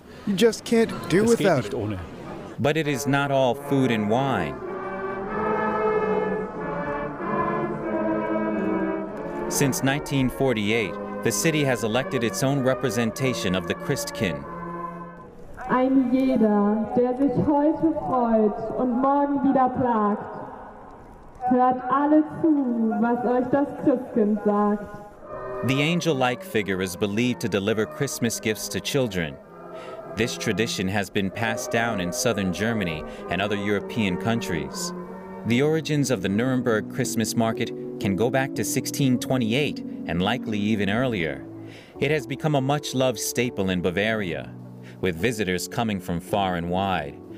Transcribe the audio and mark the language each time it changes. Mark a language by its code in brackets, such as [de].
[en] You just can't do without it. But it is not all food and wine. Since 1948, the city has elected its own representation of the Christkind. [de] Ein jeder, der sich heute freut und morgen wieder plagt, hört alle zu, was euch das Christkind sagt. [en] The angel-like figure is believed to deliver Christmas gifts to children. This tradition has been passed down in southern Germany and other European countries. The origins of the Nuremberg Christmas market can go back to 1628 and likely even earlier. It has become a much-loved staple in Bavaria, with visitors coming from far and wide.